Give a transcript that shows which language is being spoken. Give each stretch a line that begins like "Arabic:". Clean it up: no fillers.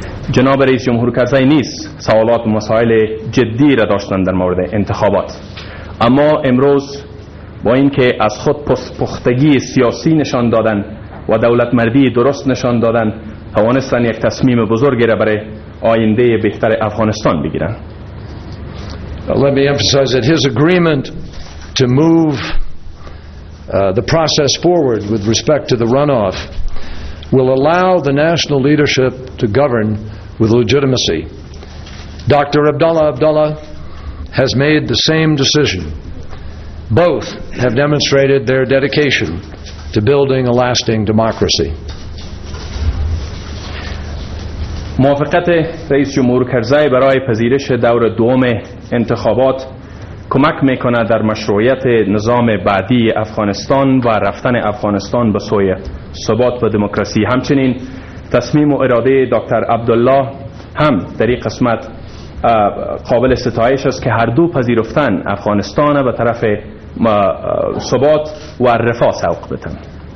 Persian: جناب رئیس جمهور کرزی نیز سوالات و مسائل جدی را داشتند در مورد انتخابات، اما امروز با اینکه از خود پختگی سیاسی نشان دادن و دولت مردی درست نشان دادن، توانستن یک تصمیم بزرگی را برای آینده بهتر افغانستان بگیرن.
English: Let me emphasize that his agreement to move the process forward with respect to the runoff will allow the national leadership to govern with legitimacy. Dr. Abdullah has made the same decision. Both have demonstrated their dedication to building a lasting democracy.
Persian: موافقت رئیس جمهور کرزی برای پذیرش دور دوم انتخابات کمک میکند در مشروعیت نظام بعدی افغانستان و رفتن افغانستان به سوی ثبات و دموکراسی. همچنین تصمیم و اراده دکتر عبدالله هم در این قسمت قابل ستایش است که هر دو پذیرفتن افغانستان به طرف ثبات و رفاه سوق بدهند.